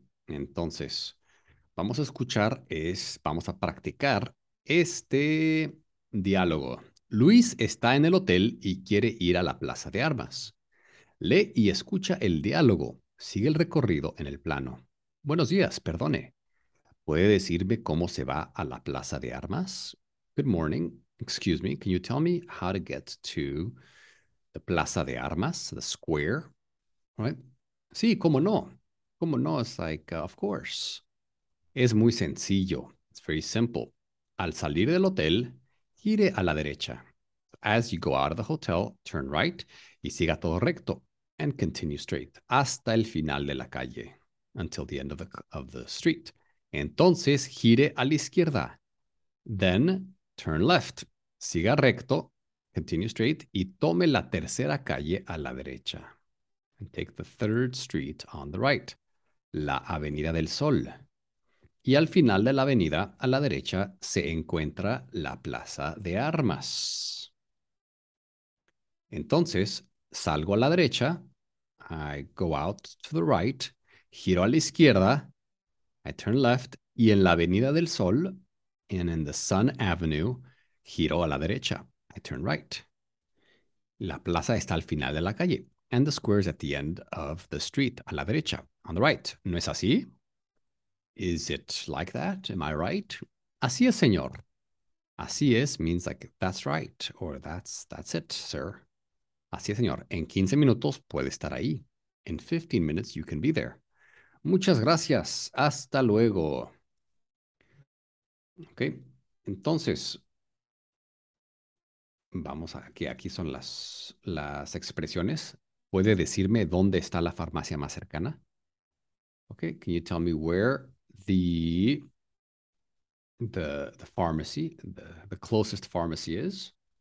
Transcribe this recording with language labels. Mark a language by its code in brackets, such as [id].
[es] Entonces, vamos a escuchar, vamos a practicar este diálogo. Luis está en el hotel y quiere ir a la plaza de armas. Lee y escucha el diálogo. Sigue el recorrido en el plano. Buenos días, perdone. ¿Puede decirme cómo se va a la plaza de armas? [en] Good morning. Excuse me. Can you tell me how to get to the plaza de armas, the square? Right? [es] Sí, cómo no. Cómo no. [en] It's like, of course. [es] Es muy sencillo. [en] It's very simple. [es] Al salir del hotel, gire a la derecha. [en] As you go out of the hotel, turn right [es] y siga todo recto. [en] And continue straight. [es] Hasta el final de la calle. [en] Until the end of the street. [es] Entonces, gire a la izquierda. [en] Then, turn left. [es] Siga recto. [en] Continue straight. [es] Y tome la tercera calle a la derecha. [en] And take the third street on the right. [es] La Avenida del Sol. Y al final de la avenida, a la derecha, se encuentra la Plaza de Armas. Entonces, salgo a la derecha. [en] I go out to the right. [es] Giro a la izquierda. [en] I turn left. [es] Y en la Avenida del Sol, [en] and in the Sun Avenue, [es] giro a la derecha. [en] I turn right. [es] La plaza está al final de la calle. [en] And the square is at the end of the street, [es] a la derecha, [en] on the right. [es] ¿No es así? [en] Is it like that? Am I right? [es] Así es, señor. [en] Así es means like that's right or that's it, sir. [es] Así es, señor. En 15 minutos puede estar ahí. [en] In 15 minutes you can be there. [es] Muchas gracias. Hasta luego. Ok. Entonces, vamos a que aquí son las expresiones. ¿Puede decirme dónde está la farmacia más cercana? Ok. [en] Can you tell me where the pharmacy, the closest pharmacy is?